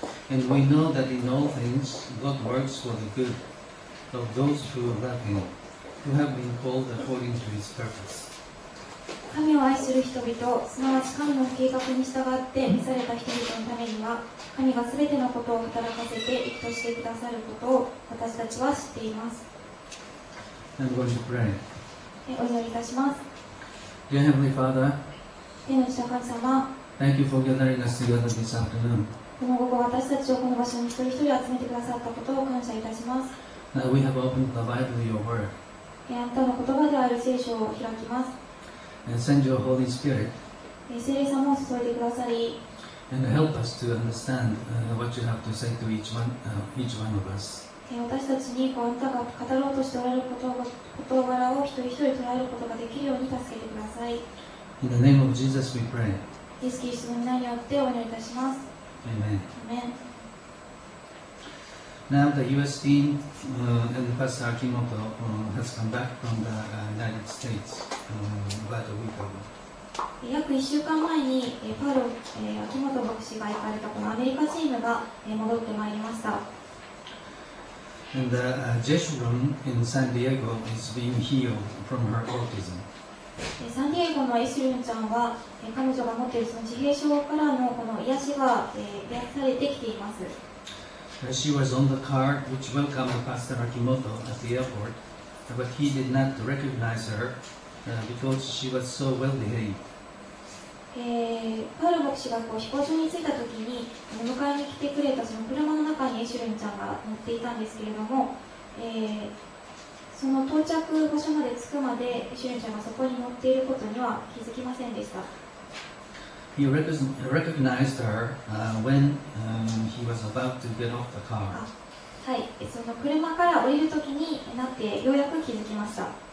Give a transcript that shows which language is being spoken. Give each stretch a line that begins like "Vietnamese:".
English: And we know that in all things God works for the good of those who love Him, who have been called according to His purpose.
Japanese: 神を愛する人々、すなわち神の計画に従って召された人々のためには、神がすべてのことを働かせて、益としてくださることを私たちは知っています。
English: I'm going to pray.
Japanese: お祈りいたします。
English: Dear Heavenly Father,
Japanese: 天の父神様、
English: Thank you for gathering us together this afternoon.
Japanese: この午後、私たちをこの場所に一人一人集めてくださったことを感謝いたします。
English: Now we have opened the Bible to your word.
Japanese: あなたの言葉である聖書を開きます。
English: And send your Holy Spirit.
Japanese: 聖霊様を注いでくださり。
English: And help us to understand what you have to say to each one of us.
Japanese: 私たちにあなたが語ろうとしておられる言葉を一人一人捉えることができるように助けてください。
English: In the name of Jesus, we pray.
Japanese: イエス・キリストの名によってお祈りいたします。
English: Amen. Amen. Now the U.S. team and Pastor Akimoto has come back from the United States. About a week ago.
Japanese: 約1週間前にパウロ、秋元牧師が行かれたこのアメリカチームが戻ってまいりました。
English: And the Jeshurun in San Diego is being healed from her autism.
Japanese: サンディエゴのエシュルンちゃんは彼女が持っているその自閉症からのこの癒しが癒されてきています。
English: She was on the car which welcomed Pastor Akimoto at the airport, but he did not recognize her. Because she was so well behaved.
Japanese: パウロ牧師が飛行場に着いたときに迎えに来てくれたその車の中にエシュルンちゃんが乗っていたんですけれども、その到着場所まで着くまでエシュルンちゃんがそこに乗っていることには気づきませんでした。
English: He recognized her when he was about to get off the car.
Japanese: はい、その車から降りるときになってようやく気づきました。